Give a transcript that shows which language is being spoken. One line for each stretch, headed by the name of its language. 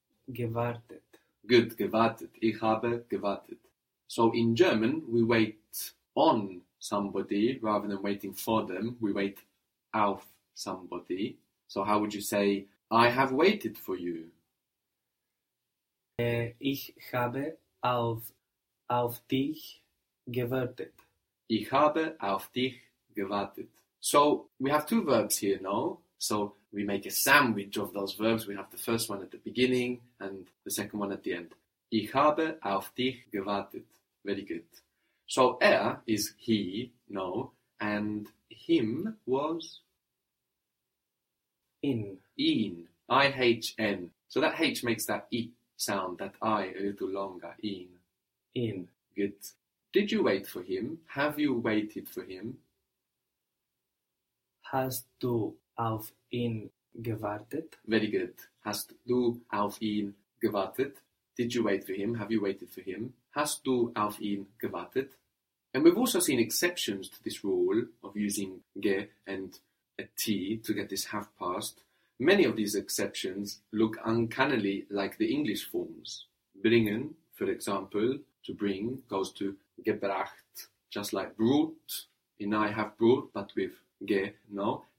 German: Gewartet. Good. Gewartet. Ich habe gewartet.
English: So in German, we wait on somebody rather than waiting for them. We wait auf somebody. So how would you say, I have waited for you?
German: Ich habe auf dich gewartet. Ich habe auf dich gewartet.
English: So we have two verbs here now. So we make a sandwich of those verbs. We have the first one at the beginning and the second one at the end.
German: Ich habe auf dich gewartet.
English: Very good. So is he, no, and him was
German: In. ihn, ihn.
English: So that h makes that e sound, that I a little longer, ihn.
German: In.
English: Good. Did you wait for him? Have you waited for him?
German: Hast du auf ihn gewartet?
English: Very good.
German: Hast du auf ihn gewartet?
English: Did you wait for him? Have you waited for him?
German: Hast du auf ihn gewartet?
English: And we've also seen exceptions to this rule of using ge and a t to get this have past. Many of these exceptions look uncannily like the English forms. Bringen, for example, to bring goes to gebracht, just like brought in I have brought, but with ge, no.